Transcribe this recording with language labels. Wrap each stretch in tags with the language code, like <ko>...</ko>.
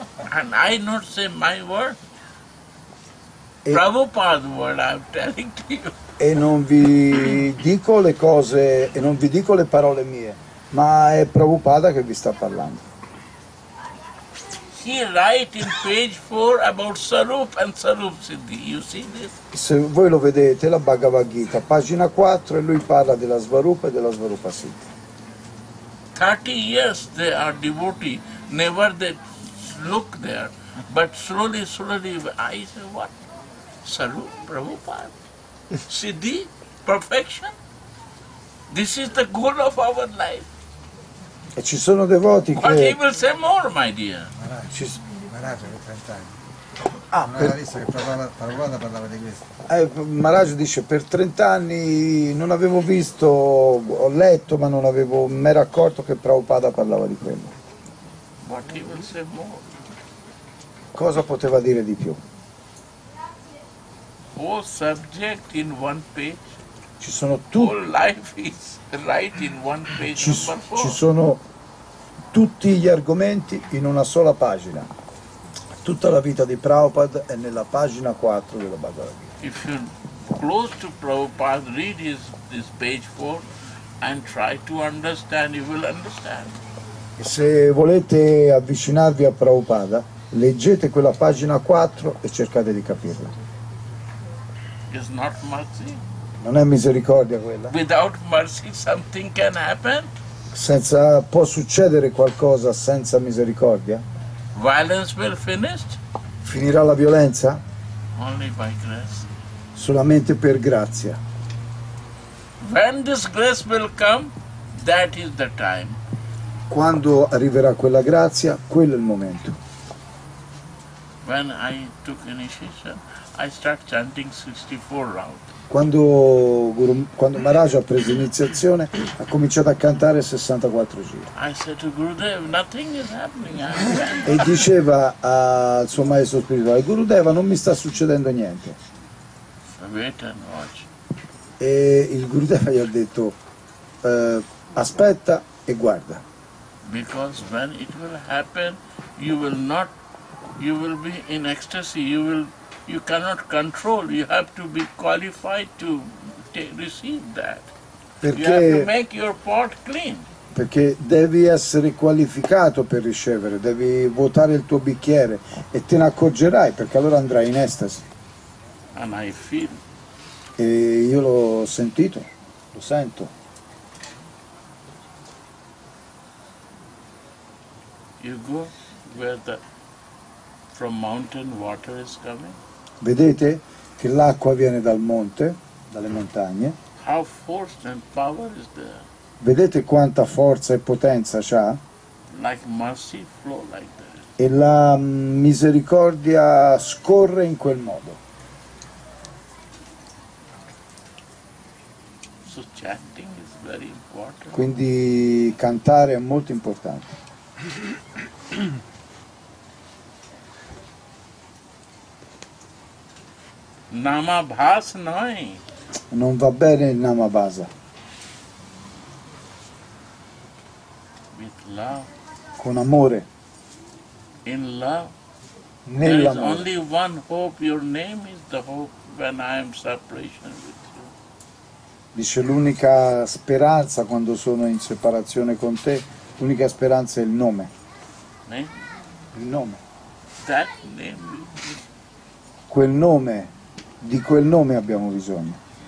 <en>And I not say my word. Prabhupada's word I'm telling to you.</en> <it>E non vi dico le cose, e non vi dico le parole mie, ma è Prabhupada che vi sta parlando.</it> <en>He write in page 4 about Sarup and Sarup Siddhi. You see this?</en> <it>Se voi lo vedete, la Bhagavad Gita, pagina 4, e lui parla della Svarupa e della Svarupa Siddhi.</it> <en>30 years they are devotee, never they look there, but slowly, slowly, I say, what? Sarup, Prabhupada? Siddhi, perfection. This is the goal of our life.</en> <it>E ci sono devoti che.</it> <en>But he will say more, my dear.</en> <it>Maharaj, ha 30 anni. Ah, non per... visto che Prabhupada parlava di questo. Maharaj dice: per 30 anni non avevo visto, ho letto, ma non avevo mai accorto che Prabhupada parlava di quello.</it> <en>But he will say more.</en> <it>Cosa poteva dire di più?</it> <en>All subject in one page.</en> <it>Ci sono tutti.</it> <en>All life is right in one page.</en> <it>Ci sono tutti gli argomenti in una sola pagina. Tutta la vita di Prabhupada è nella pagina 4 della Bhagavad Gita.</it> <en>If you close to Prabhupada, read his this page 4 and try to understand, you will understand.</en> <it>E se volete avvicinarvi a Prabhupada, leggete quella pagina 4 e cercate di capirla.</it> <en>It's not mercy.</en> <it>Non è misericordia quella.</it> <en>Without mercy something can happen.</en> <it>Senza, può succedere qualcosa senza misericordia?</it> <en>Violence will finish.</en> <it>Finirà la violenza?</it> <en>Only by grace.</en> <it>Solamente per grazia.</it> <en>When this grace will come, that is the time.</en> <it>Quando arriverà quella grazia, quello è il momento.</it> <en>When I took initiation, I start chanting 64 rounds.</en> <it>Quando Maharaj ha preso iniziazione, ha cominciato a cantare 64 giri.</it> <en>I said to Gurudev, nothing is happening.</en> <it>E diceva al suo maestro spirituale, Gurudeva, non mi sta succedendo niente.</it> <en>Wait and watch.</en> <it>E il Gurudeva gli ha detto, aspetta e guarda.</it> <en>Because when it will happen, you will not, you will be in ecstasy, you will. You cannot control, you have to be qualified to receive that.</en> <it>Perché,</it> <en>you have to make your pot clean.</en> <it>Perché devi essere qualificato per ricevere, devi vuotare il tuo bicchiere e te ne accorgerai perché allora andrai in estasi.</it> <en>And I feel.</en> <it>E io l'ho sentito, lo sento.</it> <en>You go where the from mountain water is coming.</en> <it>Vedete che l'acqua viene dal monte, dalle montagne.</it> <en>How force and power is there?</en> <it>Vedete quanta forza e potenza c'ha?</it> <en>Like mercy flow like that.</en> <it>E la misericordia scorre in quel modo.</it> <en>So chanting is very important.</en> <it>Quindi cantare è molto importante. Namabhas noi. Non va bene il namabhasa.</it> <en>With love.</en> <it>Con amore.</it> <en>In love.</en> <it>Nell'amore.</it> <en>There is only one hope. Your name is the hope when I am separation with you.</en> <it>Dice l'unica speranza quando sono in separazione con te. L'unica speranza è il nome.</it> <en>Name?</en> <it>Il nome.</it> <en>That name.</en> <it>Quel nome. Di quel nome abbiamo bisogno.</it>